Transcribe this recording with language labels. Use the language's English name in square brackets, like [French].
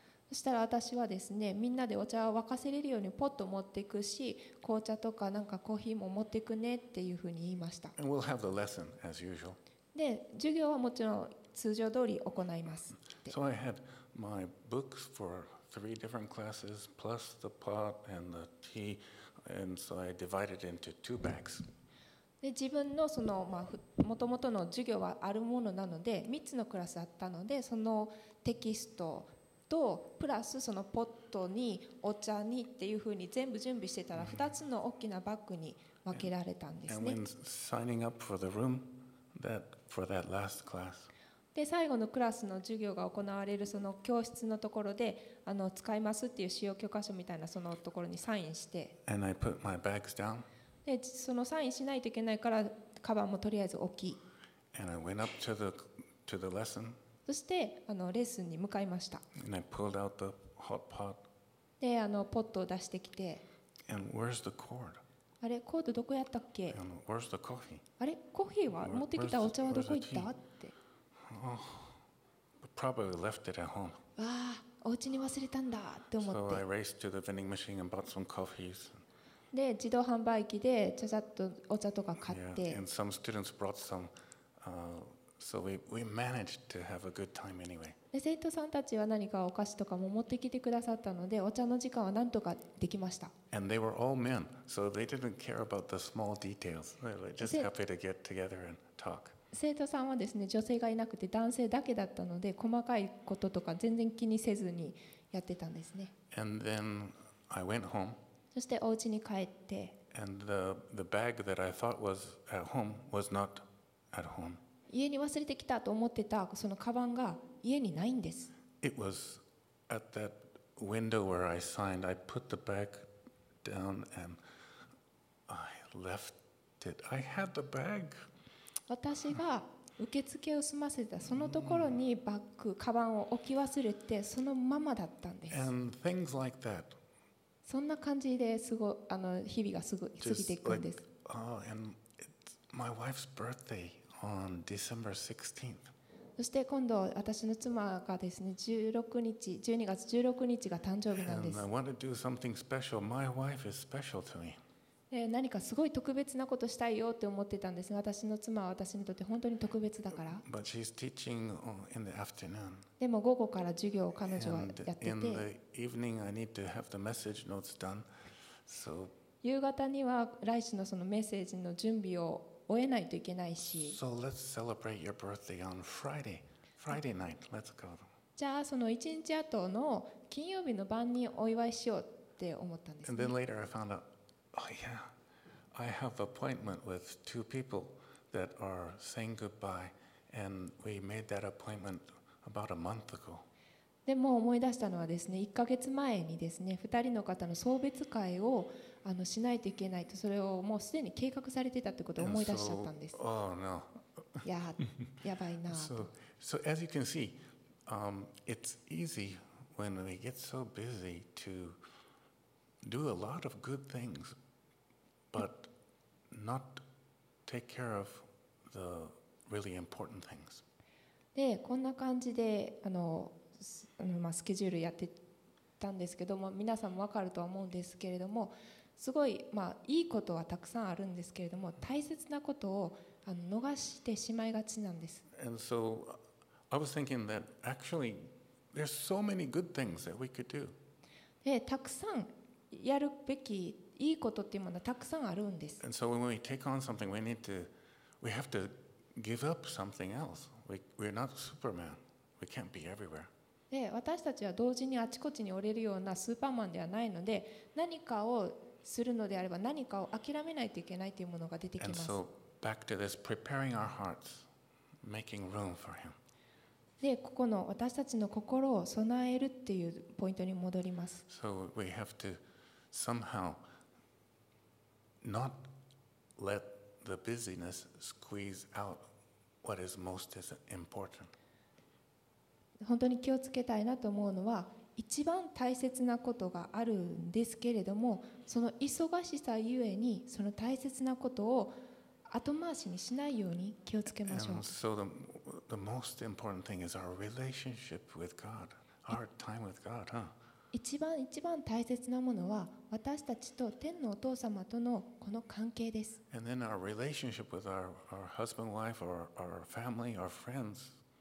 [Japanese] そしたら私はですね、みんなでお茶を沸かせれるようにポット持っていくし、紅茶とかなんかコーヒーも持っていくねっていうふうに言いました。 [English] And we'll have the lesson as usual. [Japanese] で、授業はもちろん通常通り行います。 [English] So I had my books for three different classes plus the pot and the tea, and so I divided into two bags. [Japanese] で自分のそのまあ元々の授業はあるものなので、三つのクラスあったので、そのテキストとプラスそのポットにお茶にっていうふうに全部準備してたら2つの大きなバッグに分けられたんですね。 [English] And when signing up for the room that for that last class. [Japanese] で最後のクラスの授業が行われるその教室のところで使いますっていう使用許可書みたいなそのところにサインして。 [English] And I put my bags down. [Japanese] でそのサインしないといけないからカバンもとりあえず置き。 [English] And I went up to the lesson. [Japanese] そしてレッスンに向かいました。 [English] And I pulled out the hot pot. [Japanese] で、ポットを出してきて。 [English] And where's the cord? [Japanese] あれ、コードどこやったっけ? [English] And where's the coffee? [Japanese] あれ、コーヒーは持ってきたお茶はどこ行った? って。 [English] Oh, probably left it at home. [Japanese] わあ、お家に忘れたんだって思って。 [English] So I raced to the vending machine and bought some coffees. [Japanese] で、自動販売機でちゃちゃっとお茶とか買って。 [English] Yeah, and some students brought some, So we managed to have a good time anyway. [Japanese] で、生徒さんたちは何かお菓子とかも持ってきてくださったので、お茶の時間はなんとかできました。 [English] And they were all men, so they didn't care about the small details. They were just happy to get together and talk. [Japanese] 生徒さんはですね、女性がいなくて男性だけだったので、細かいこととか全然気にせずにやってたんですね。 [English] And then I went home. [Japanese] そしてお家に帰って。 [English] And the bag that I thought was at home was not at home. [Japanese] 家に忘れてきたと思ってたそのカバンが家にないんです。 [English] It was at that window where I signed. I put the bag down and I left it. I had the bag. [Japanese] 私が受付を済ませたそのところにバッグ、カバンを置き忘れてそのままだったんです。 [English] And things like that. [Japanese] そんな感じですご日々がすぐ過ぎていくんです。 [English] And it's my wife's birthday. On December 16th. [Japanese] そして今度私の妻がですね12月16日が誕生日なんです。 [English] And I want to do something special. My wife is special to me. [Japanese] 何かすごい特別なことしたいよって思ってたんです。私の妻は私にとって本当に特別だから。 [English] But she's teaching in the afternoon. [Japanese] でも午後から授業を彼女はやってて。 [English] And in the evening, I need to have the message notes done. So [Japanese] 夕方には来週のそのメッセージの準備を。終えないといけないし。 [English] So let's celebrate your birthday on Friday. Friday night. Let's go. [Japanese] じゃあその一日後の金曜日の晩にお祝いしようって思ったんですね。 [English] And then later I found out, oh yeah, I have appointment with two people that are saying goodbye, and we made that appointment about a month ago. [Japanese] でも思い出したのはですね、1ヶ月前にですね、2人の方の送別会をしないといけないと、それをもうすでに計画されてたということを思い出しちゃったんです。 [English] Oh no, [Japanese] やばいな。 [English] So as you can see, it's easy when we get so busy to do a lot of good things, but not take care of the really important things. [Japanese] で、こんな感じで、スケジュールやってたんですけども、皆さんも分かるとは思うんですけれども、すごい、いいことはたくさんあるんですけれども、大切なことを逃してしまいがちなんです。 [English] And so, I was thinking that actually, there's so many good things that we could do. [Japanese] で、たくさんやるべきいいことっていうものはたくさんあるんです。 [English] And so, when we take on something, we have to give up something else. We're not Superman. We can't be everywhere. [Japanese] で私たちは同時にあちこちに折れるようなスーパーマンではないので何かをするのであれば何かを諦めないといけないというものが出てきます。 [English] And so back to this, preparing our hearts, making room for him. [Japanese] でここの私たちの心を備えるっていうポイントに戻ります。 [English] So we have to somehow not let the busyness squeeze out what is most important. [Japanese] 本当に気をつけたいなと思うのは一番大切なことがあるんですけれどもその忙しさゆえにその大切なことを後回しにしないように気をつけましょう。 [English] And so the most important thing is our relationship with God, our time with God, huh? [Japanese] 一番大切なものは私たちと天のお父様とのこの関係です。 [English] And then our relationship with our husband, wife, or our family, our friends.